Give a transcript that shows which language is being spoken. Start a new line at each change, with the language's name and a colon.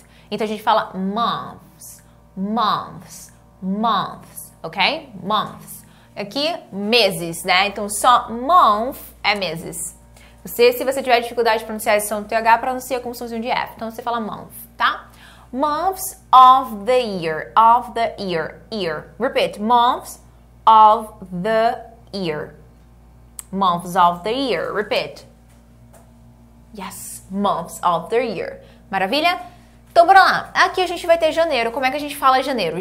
Portuguese: Então a gente fala months, months, months, ok? Months. Aqui, meses, né? Então só month é meses. Você, se você tiver dificuldade de pronunciar esse som do TH, pronuncia com um sonzinho de F. Então você fala month, tá?
English: Months of the year, year. Repeat, months of the year. Months of the year, repeat. Yes, months of the year.
Portuguese: Maravilha? Então, bora lá. Aqui a gente vai ter janeiro. Como é que a gente fala janeiro?